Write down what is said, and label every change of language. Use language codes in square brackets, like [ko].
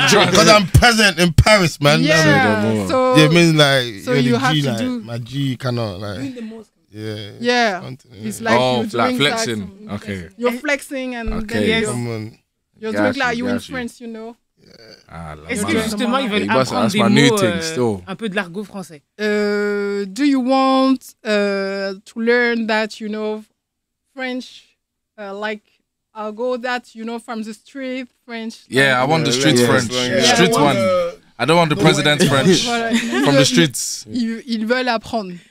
[en] Because I'm present in Paris, man. Yeah. Man. So it means like. So you have G, to like, do. My G cannot like. Yeah. Yeah. It's like you're doing flexing. Okay. You're flexing and then you're doing like you in France, you know. [fr] Est-ce que justement ils veulent apprendre des mots, un peu de l'argot français? [en] Do you want to learn that, you know, French, like argot that you know from the street French? Yeah, like, I want the street French, street one. I don't want the president French from the streets. [fr] Ils veulent apprendre.